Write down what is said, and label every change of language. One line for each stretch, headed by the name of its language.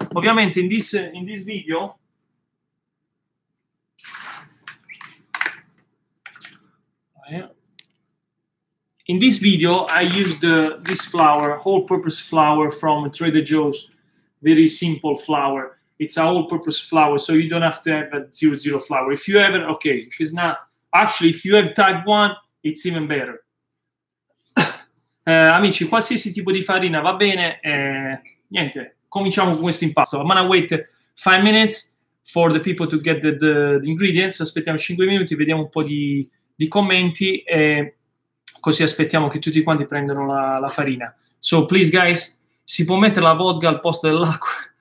English: Ovviamente in this video I used this flour, all purpose flour from Trader Joe's, very simple flour. It's an all purpose flour, so you don't have to have a 00 flour. If you have it, okay. If it's not, actually if you have type 1, it's even better.
Italian: Amici, qualsiasi tipo di farina va bene, niente, cominciamo con questo impasto.
English: I'm gonna wait 5 minutes for the people to get the ingredients.
Italian: Aspettiamo 5 minuti, vediamo un po' di commenti e così aspettiamo che tutti quanti prendano la farina.
English: So please guys,
Italian: si può mettere la vodka al posto dell'acqua?